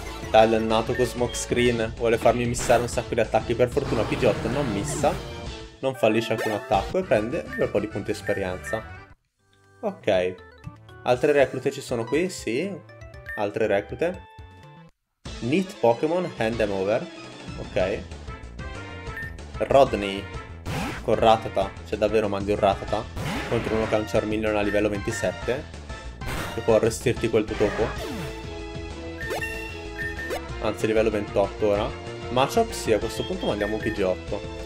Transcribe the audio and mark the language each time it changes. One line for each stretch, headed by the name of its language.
Italian: Dai, è nato con Smoke Screen. Vuole farmi missare un sacco di attacchi. Per fortuna Pidgeotto non missa. Non fallisce alcun attacco e prende un po' di punti esperienza. Ok. Altre reclute ci sono qui? Sì. Altre reclute.
English: Neat Pokémon, hand them over.
Italian: Ok. Rodney. Con Rattata, cioè davvero mandi un Rattata contro uno che ha un Charmeleon a livello 27 che può arrestirti quel tuo topo. Anzi, livello 28 ora. Machop, sì, a questo punto mandiamo un Pidgeotto.